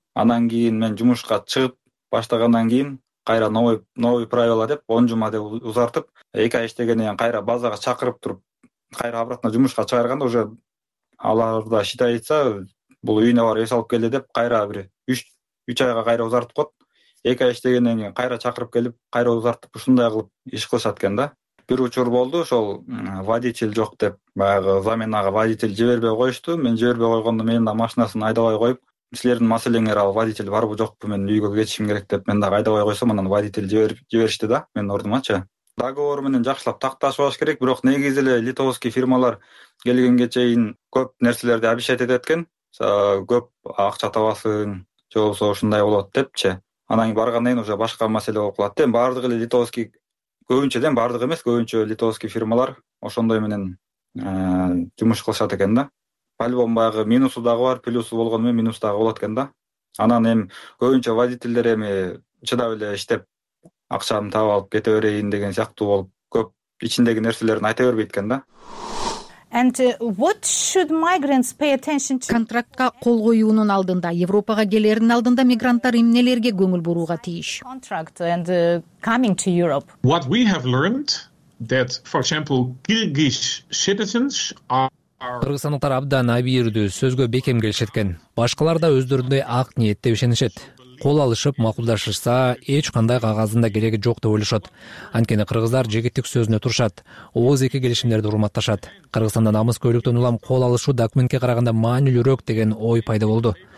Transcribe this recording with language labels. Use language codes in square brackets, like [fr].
[ky] Анан кийин мен жумушка чыгып баштагандан кийин кайра [ru] новый правила [ky] деп 10 жума деп узартып 2 ай иштегенден кийин кайра базага чакырып туруп кайра [ru] обратно [ky] жумушка чыгарганда [ru] уже [ky] аларда [ru] считается [ky] бул үйүнө барып эс алып келди деп кайра бир 3 айга кайра узартып коет. 2 ай иштегенден кийин кайра чакырып келип кайра узартып ушундай кылып иш кылышат экен да. Бир учур болду, ошол водитель жок деп баягы заменага водитель жибербей коюшту. Мен жибербей койгондо менин да машинасын айдабай коюп, силердин маселеңер ал водитель барбы жокпу, мен үйгө кетишим керек деп мен дагы айдабай койсом анан водитель жиберишти да менин ордумачы. Договор менен жакшылап такташпаш керек, бирок негизи эле литовский фирмалар келгенге чейин көп нерселерди [ru] обещать [ky] этет экен, көп акча табасың же болбосо ушундай болот депчи. Анан баргандан кийин [ru] уже [ky] башка маселе болуп калат да. Эми баардык эле литовский, көбүнчө дем баардык эмес, көбүнчө литовский фирмалар ошондой менен жумуш кылышат экен да. [ru] По-любому [ky] баягы минусу дагы бар, плюсу болгону менен минусу дагы болот экен да. Анан эми көбүнчө водительдер эми чыдап эле иштеп акчамды таап алып кете берейин деген сыяктуу болуп көп ичиндеги нерселерин айта бербейт экен да. [en] And what should migrants pay attention to? [ky] Контрактка кол коюунун алдында, Европага келердин алдында мигранттар эмнелерге көңүл бурууга тийиш? [en] Contract and coming to Europe. What we have learned that for example Kyrgyz citizens are [ky] Кыргызстандыктар абдан абийирдүү, сөзгө бекем келишет экен. Башкалар да өздөрүндөй ак ниетте ишенишет. Кол алышып макулдашышса эч кандай кагаздын да кереги жок деп ойлошот. Анткени кыргыздар жегиттик сөзүнө турушат, ооз эки келишимдерди урматташат. Кыргызстанда намыс көйлөктөн улам кол алышуу документке караганда маанилүүрөөк деген ой пайда болду.